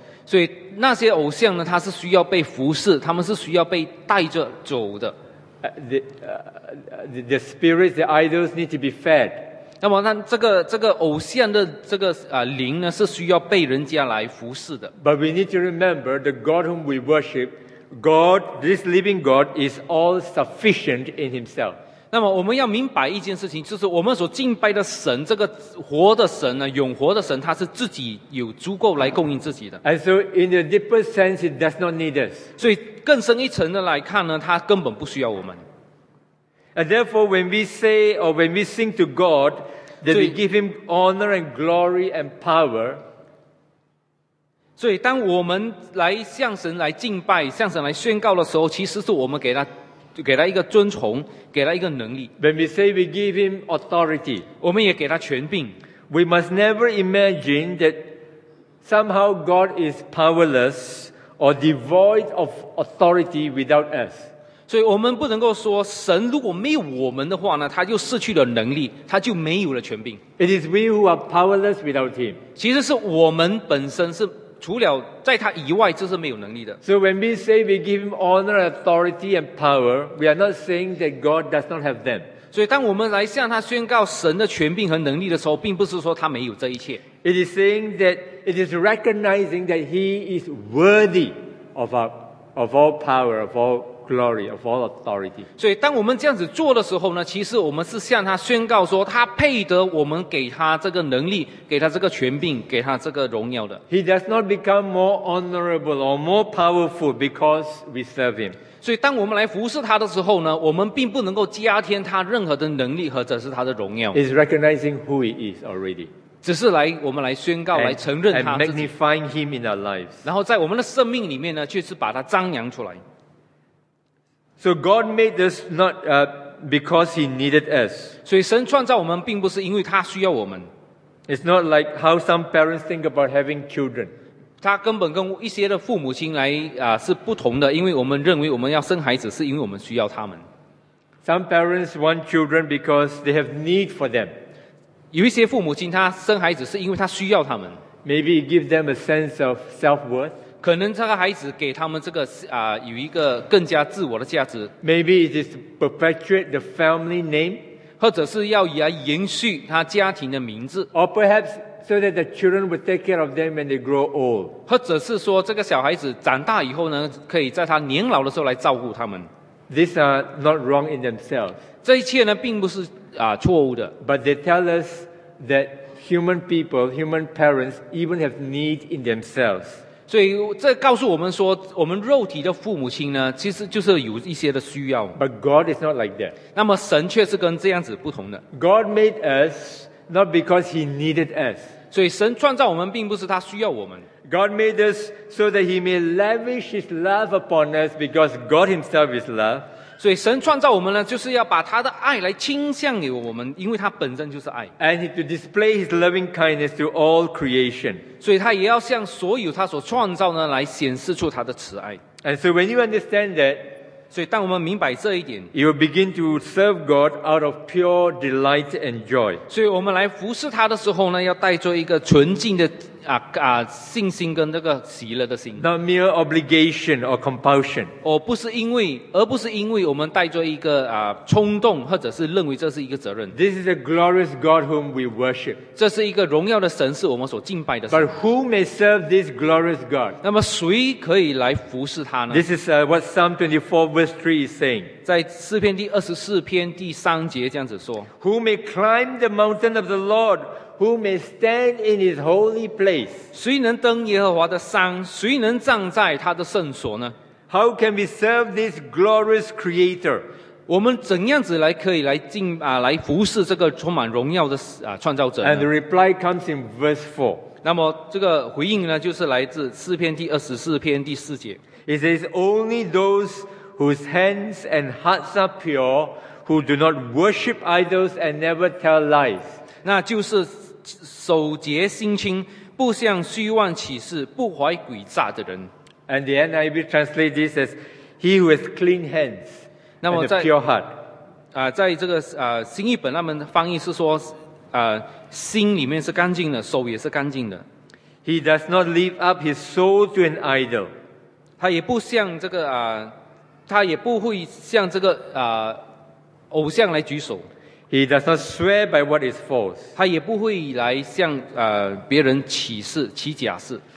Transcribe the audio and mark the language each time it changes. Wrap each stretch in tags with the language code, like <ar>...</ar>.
<zh>所以那些偶像呢，他是需要被服侍，他们是需要被带着走的。</zh> <en>The spirits, the idols need to be fed.</en> <zh>那么这个偶像的这个灵呢，是需要被人家来服侍的。</zh> <en>But we need to remember the God whom we worship, God, this living God, is all sufficient in himself.</en> <zh>那么我们要明白一件事情，就是我们所敬拜的神，这个活的神呢，永活的神，他是自己有足够来供应自己的。</zh> <en>And so in the deeper sense, it does not need us.</en> <zh>所以更深一层的来看呢，他根本不需要我们。</zh> <en>And therefore, when we say or when we sing to God, then we give him honor and glory and power.</en> <zh>所以当我们来向神来敬拜，向神来宣告的时候，其实是我们给他一个尊崇，给他一个能力。</zh> <en>When we say we give him authority,</en> <zh>我们也给他权柄。</zh> <en>We must never imagine that somehow God is powerless or devoid of authority without us.</en> <zh>所以我们不能够说神如果没有我们的话呢，他就失去了能力，他就没有了权柄。</zh> <en>It is we who are powerless without him.</en> <zh>其实是我们本身是除了在他以外，就是没有能力的。</zh> <en>So when we say we give him honor, authority, and power, we are not saying that God does not have them.</en> <zh>所以当我们来向他宣告神的权柄和能力的时候，并不是说他没有这一切。</zh> <en>It is saying that it is recognizing that he is worthy of all power, of all. Glory of all authority.</en> <zh>所以当我们这样子做的时候呢，其实我们是向他宣告说他配得我们给他这个能力，给他这个权柄，给他这个荣耀的。</zh> <en>He does not become more honorable or more powerful because we serve him.</en> <zh>所以当我们来服侍他的时候呢，我们并不能够加添他任何的能力或者是他的荣耀。</zh> <en>It's recognizing who he is already.</en> <zh>只是来我们来宣告</zh> <en>and,</en> <zh>来承认他自己</zh> <en>and magnifying him in our lives.</en> <zh>然后在我们的生命里面呢，就是把他张扬出来。</zh> <en>So God made us not because he needed us.</en> <zh>所以神创造我们并不是因为他需要我们。</zh> <en>It's not like how some parents think about having children.</en> <zh>他根本跟一些的父母亲来是不同的，因为我们认为我们要生孩子是因为我们需要他们。</zh> <en>Some parents want children because they have need for them.</en> <zh>有一些父母亲他生孩子是因为他需要他们。</zh> <en>Maybe it gives them a sense of self-worth.</en> <zh>可能这个孩子给他们这个有一个更加自我的价值。</zh> <en>Maybe it is to perpetuate the family name.</en> <zh>或者是要延续他家庭的名字。</zh> <en>Or perhaps so that the children will take care of them when they grow old.</en> <zh>或者是说这个小孩子长大以后呢，可以在他年老的时候来照顾他们。</zh> <en>These are not wrong in themselves.</en> <zh>这一切呢并不是错误的。</zh> <en>But they tell us that human people, human parents even have need in themselves.</en> <zh>所以这告诉我们说，我们肉体的父母亲呢，其实就是有一些的需要。</zh> <en>But God is not like that.</en> <zh>那么神却是跟这样子不同的。</zh> <en>God made us not because he needed us.</en> <zh>所以神创造我们并不是他需要我们。</zh> <en>God made us so that he may lavish his love upon us because God himself is love.</en> <zh>所以神创造我们呢，就是要把他的爱来倾向给我们，因为他本身就是爱。</zh> <en>And to display his loving kindness to all creation.</en> <zh>所以他也要向所有他所创造呢来显示出他的慈爱。</zh> <en>And so when you understand that,</en> <zh>所以当我们明白这一点，</zh> <en>you will begin to serve God out of pure delight and joy.</en> <zh>所以我们来服侍他的时候呢，要带着一个纯净的信心跟那个喜乐的心。</zh> <en>Not mere obligation or compulsion.</en> <zh>而不是因为我们带着一个冲动，或者是认为这是一个责任。</zh> <en>This is a glorious God whom we worship.</en> <zh>这是一个荣耀的神，是我们所敬拜的神。</zh> <en>But who may serve this glorious God?</en> <zh>那么谁可以来服侍他呢？</zh> <en>This is what Psalm 24 verse 3 is saying.</en> <zh>在诗篇第24篇第三节这样子说。</zh> <en>Who may climb the mountain of the Lord? Who may stand in his holy place?</en> <zh>谁能登耶和华的山？谁能站在他的圣所呢？</zh> <en>How can we serve this glorious Creator?</en> <zh>我们怎样子来可以来敬啊来服侍这个充满荣耀的创造者呢？</zh> <en>And the reply comes in verse 4.</en> <zh>那么这个回应呢，就是来自诗篇第二十四篇第四节。</zh> <en>It says, "Only those whose hands and hearts are pure, who do not worship idols and never tell lies."</en> <zh>那就是守节心清，不向虚妄起誓，不怀诡诈的人。</zh> <en>And the NIV translates this as "He who has clean hands and a pure heart."</en> <zh>在这个新译本他们翻译是说，心里面是干净的，手也是干净的。</zh> <en>He does not lift up his soul to an idol.</en> <zh>他也不向这个他也不会向这个偶像来举手。</zh> <en>He does not swear by what is false.</en> <zh>他也不会来向别人起誓起假誓。</zh>